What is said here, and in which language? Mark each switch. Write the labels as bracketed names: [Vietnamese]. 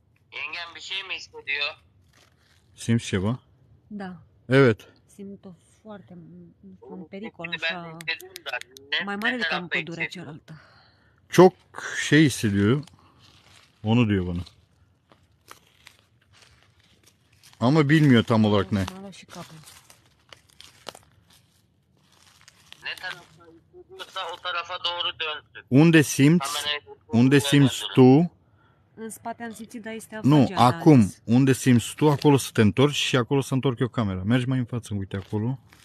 [Turkish] Yengem, bir şey mi istiyor? [Romanian] Simți ceva? Da. [Turkish] Evet. [Romanian] Simt-o foarte, un pericol așa, mai mare decât în pădurea cealaltă. [Turkish] Çok şey hissediyor. Onu diyor bana. Ama bilmiyor tam olarak ne. Şu kapı. Ne tarafa o tarafa doğru döndü. [Romanian] Unde simți? Unde simți tu? În spate am simțit, dar este afacere. Nu, acum. Unde simți tu, acolo să te întorci și acolo să întorc eu camera. Mergi mai în față, uite acolo.